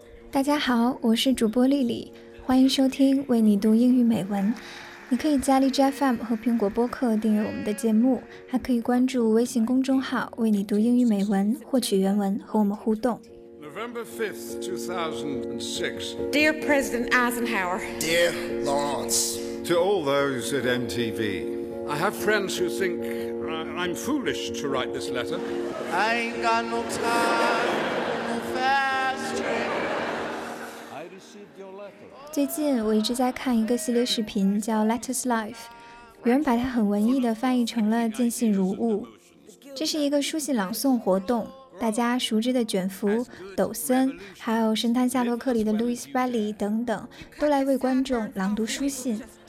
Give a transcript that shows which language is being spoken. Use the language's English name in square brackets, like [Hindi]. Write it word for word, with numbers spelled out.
[Chinese] 大家好，我是主播丽丽，欢迎收听为你读英语美文。你可以加荔枝 F M 和苹果播客订阅我们的节目，还可以关注微信公众号为你读英语美文，获取原文和我们互动。 [English] November fifth, two thousand six. Dear President Eisenhower. Dear Lawrence. To all those at M T V, I have friends who think I'm foolish to write this letter. I ain't got no time, no fast train. [Chinese] 最近我一直在看一个系列视频叫 Letters Life， 有人把它很文艺地翻译成了见信如晤。这是一个书信朗诵活动，大家熟知的卷福、抖森，还有神探夏洛克里的 Louis Bailey 等等，都来为观众朗读书信。